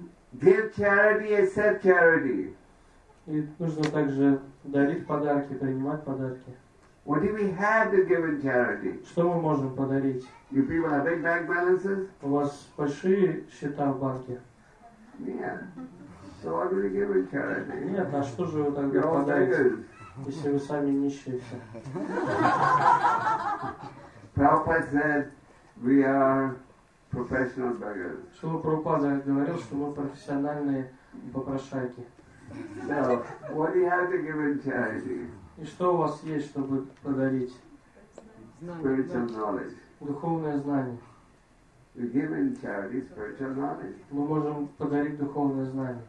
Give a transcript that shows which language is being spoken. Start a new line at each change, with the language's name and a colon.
English: Give charity, accept charity.
Russian: И нужно также дарить подарки, принимать подарки.
English: What do we have to give in charity?
Russian: Что мы можем подарить?
English: You people have big bank balances?
Russian: У вас большие счета в банке?
English: Yeah. So what do we give in charity?
Russian: Нет, а что же вы тогда подарите, если вы сами нищие все?
English: Prabhupada said, we are professional beggars.
Russian: Шрила Прабхупада говорил, что мы профессиональные попрошайки.
English: So, what do you have to give in charity?
Russian: И что у вас есть, чтобы подарить?
English: spiritual knowledge.
Russian: Духовное знание.
English: We give in charity spiritual knowledge.
Russian: Мы можем подарить духовное знание.